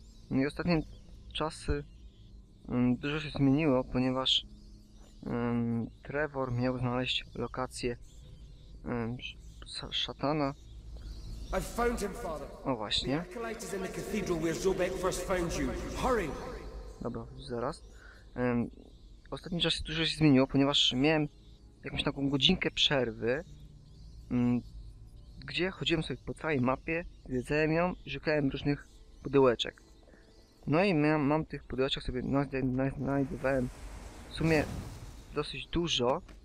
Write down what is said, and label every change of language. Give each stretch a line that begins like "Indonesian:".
Polish: No i ostatnie czasy dużo się zmieniło, ponieważ Trevor miał znaleźć lokację szatana.
English: I've found him, father.
Polish: O właśnie.
English: The acolyte is in the cathedral where Zobek first found you. Hurry!
Polish: Dobra, zaraz. Ostatni czas dużo się zmieniło, ponieważ miałem jakąś taką godzinkę przerwy, gdzie chodziłem sobie po całej mapie, zwiedzałem ją i szukałem różnych pudełeczek. No i mam tych pudełeczek sobie znajdowałem w sumie dosyć dużo.